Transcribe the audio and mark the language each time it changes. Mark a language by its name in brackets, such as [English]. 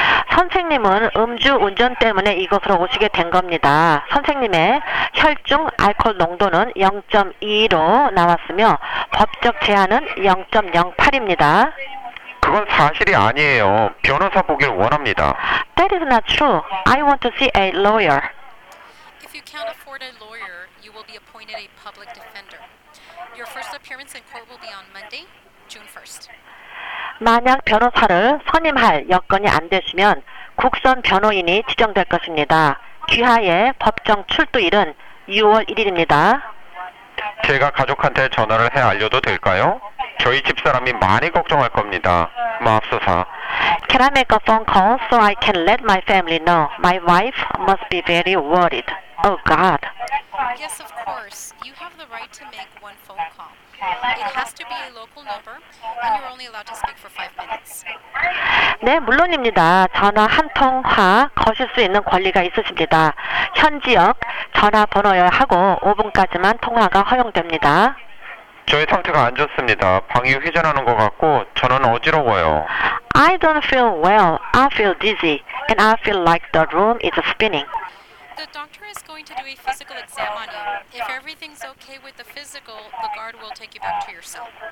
[Korean] 선생님은 음주 운전 때문에 이곳으로 오시게 된 겁니다. 선생님의 혈중 알코올 농도는 0.2로 나왔으며 법적 제한은 0.08입니다. 그건 사실이 아니에요. 변호사 보길 원합니다. [English] That is not true. I want to see a lawyer. If you can't afford a lawyer, you will be appointed a public defender. Your first appearance in court will be on Monday, June 1st. [Korean] 만약 변호사를 선임할 여건이 안 되시면 국선 변호인이 지정될 것입니다. 귀하의 법정 출두일은 6월 1일입니다. 제가 가족한테 전화를 해 알려도 될까요? 저희 집사람이 많이 걱정할 겁니다. 맙소사. [English] Can I make a phone call so I can let my family know? My wife must be very worried. Oh, God. Yes, of course. You have the right to make one phone call. It has to be a local number, and you're only allowed to speak for 5 minutes. [Korean] 네, 물론입니다. 전화 한 통화 거실 수 있는 권리가 있으십니다. 현지역 전화번호를 하고 5분까지만 통화가 허용됩니다. 저의 상태가 안 좋습니다. 방이 회전하는 것 같고 저는 어지러워요. [English] I don't feel well. I feel dizzy, and I feel like the room is spinning. The doctor is going to do a physical exam on you. If everything's okay with the physical, the guard will take you back to your cell.